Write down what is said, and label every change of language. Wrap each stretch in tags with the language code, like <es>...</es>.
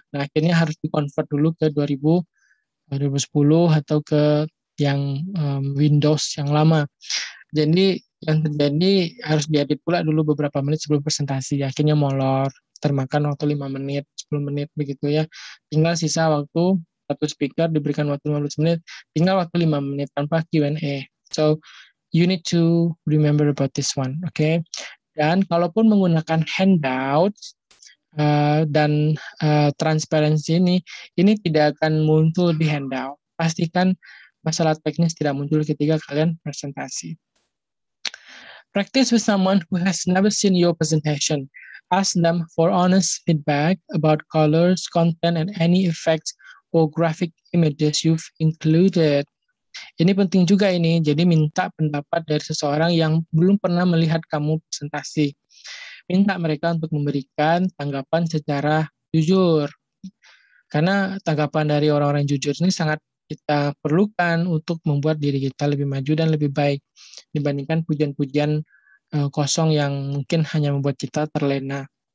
<id>Nah, akhirnya harus di-convert dulu ke 2010 atau ke yang Windows yang lama. Jadi yang terjadi harus diedit pula dulu beberapa menit sebelum presentasi. Akhirnya molor, termakan waktu 5 menit, 10 menit begitu ya. Tinggal sisa waktu satu speaker diberikan waktu 15 menit, tinggal waktu 5 menit tanpa Q&A.</id> <en>So, you need to remember about this one, okay?</en> <id>Dan kalaupun menggunakan handout dan transparansi ini tidak akan muncul di handout. Pastikan masalah teknis tidak muncul ketika kalian presentasi.</id> <en>Practice with someone who has never seen your presentation. Ask them for honest feedback about colors, content, and any effects or graphic images you've included.</en> <id>Ini penting juga ini, jadi minta pendapat dari seseorang yang belum pernah melihat kamu presentasi. Minta mereka untuk memberikan tanggapan secara jujur. Karena tanggapan dari orang-orang jujur ini sangat kita perlukan untuk membuat diri kita lebih maju dan lebih baik dibandingkan pujian-pujian kosong yang mungkin hanya membuat kita terlena.</id>